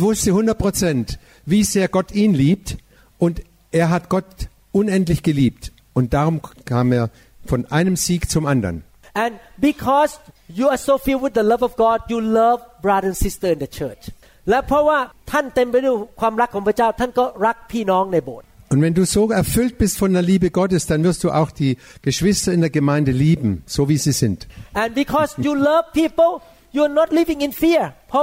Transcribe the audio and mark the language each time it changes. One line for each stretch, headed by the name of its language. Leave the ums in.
German: wusste 100% wie sehr Gott ihn liebt und er hat Gott unendlich geliebt und darum kam er von einem Sieg zum anderen.
English: And because you are so filled with the love of God, you love brother and sister in the church.
Thai: และเพราะว่าท่านเต็มไปด้วยความรักของพระเจ้าท่านก็รักพี่น้องในโบสถ์
German: Und wenn du so erfüllt bist von der Liebe Gottes, dann wirst du auch die Geschwister in der Gemeinde lieben, so wie sie sind.
English: And because you love people, you're not living in fear.